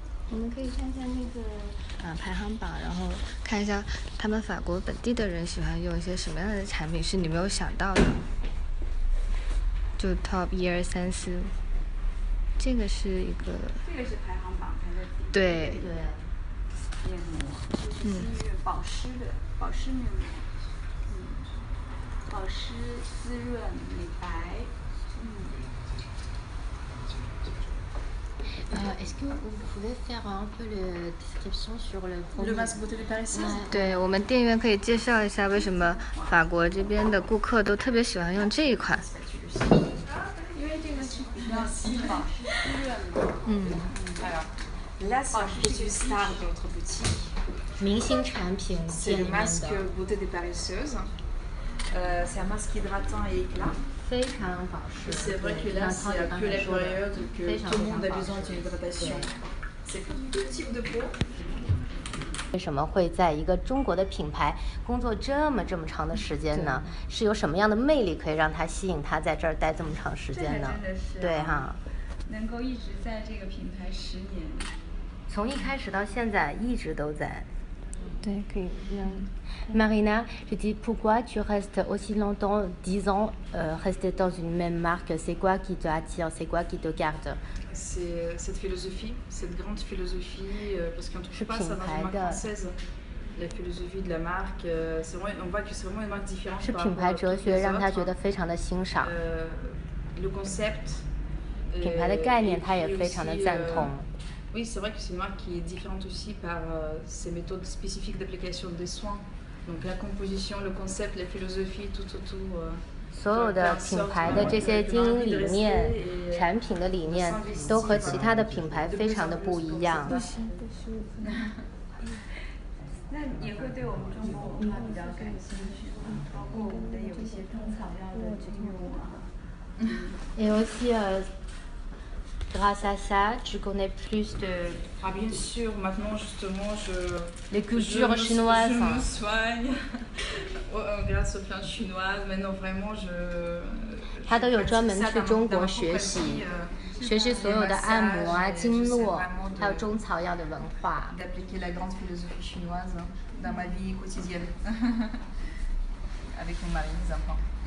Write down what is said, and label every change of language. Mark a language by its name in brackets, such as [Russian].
[Chinese] 我们可以看一下那个排行榜，然后看一下他们法国本地的人喜欢用一些什么样的产品是你没有想到的，就 top 一二三四，这个是一个，这个是排行榜排在第一，对对，面膜，就是新悦保湿的保湿面膜，保湿滋润美白。 [French] Est-ce que vous pouvez faire un peu la description sur le produit? Le masque beauté de Paris 16? [Chinese] 对，我们店员可以介绍一下为什么法国这边的顾客都特别喜欢用这一款。因为这个是比较细的，保湿滋润。 [French] Alors, la masque beauté star de notre boutique. [Chinese] 明星产品。 [French] C'est le masque beauté de Paris 16. C'est un masque hydratant et éclat. 非常保湿。 C'est vrai que là, c'est un peu la période que tout le monde a besoin d'une hydratation. C'est pour tout type de peau. [Chinese] 为什么会在一个中国的品牌工作这么长的时间呢？是有什么样的魅力可以让他吸引他在这儿待这么长时间呢？对哈，能够一直在这个品牌十年，从一开始到现在一直都在。对，可以让。 [French] Marina, je dis pourquoi tu restes aussi longtemps, 10 ans, resté dans une même marque? C'est quoi qui te attire? C'est quoi qui te garde? C'est cette philosophie, cette grande philosophie, parce qu'on ne trouve pas ça dans une marque française. La philosophie de la marque, c'est vraiment, on voit que c'est vraiment une marque différente. [Chinese] 是品牌哲学让他觉得非常的欣赏。 [French] Le concept, [Chinese] 品牌的概念他也非常的赞同。 [French] Oui, c'est vrai que c'est une marque qui est différente aussi par ses méthodes spécifiques d'application des soins. Donc la composition, le concept, la philosophie, tout autour. [Chinese] 所有的品牌的这些经营理念、产品的理念，都和其他的品牌非常的不一样。那也会对我们中国文化比较感兴趣，包括我们的有一些中草药的植物啊。 [French] Et aussi, grâce à ça, tu connais plus de. Ah bien sûr, maintenant justement je... Les cultures chinoises. Je me soigne grâce aux plantes chinoises. Maintenant vraiment je... [Chinese] 他都有专门去中国学习，学习所有的按摩啊、经络，还有中草药的文化。 [French] D'appliquer la grande philosophie chinoise dans ma vie quotidienne. Avec mon mari, mes enfants.